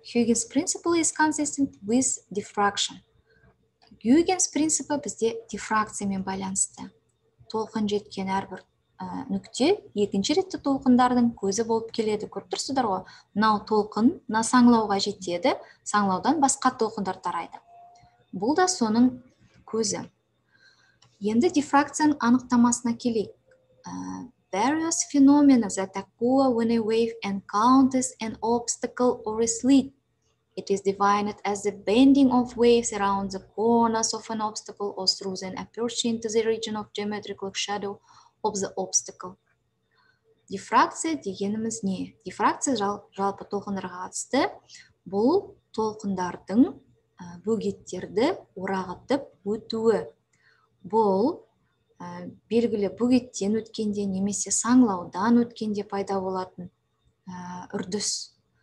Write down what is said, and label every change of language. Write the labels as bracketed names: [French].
[English] Huygens principle is consistent with diffraction. [Kazakh] Huygens principle бізде дифракциямен байланысты. Толқын жеткен әрбір нүкте екінші ретті толқындардың көзі болып келеді. Көріп тұрсыздар ғой, мынау толқын мына саңылауға жетеді, саңылаудан басқа толқындар тарайды. Бұл да соның көзі. Енді дифракцияның анықтамасына келейік. [English] Various phenomena that occur when a wave encounters an obstacle or a slit. It is defined as the bending of waves around the corners of an obstacle or through an aperture into the region of geometrical shadow of the obstacle. [Kazakh] Дифракция дегеніміз не? Дифракция жалпы толқындарға қатысты. Бұл толқындардың бөгеттерді орағытып өтуі. Бұл белгілі бөгеттен өткенде немесе саңлаудан өткенде пайда болатын үрдіс.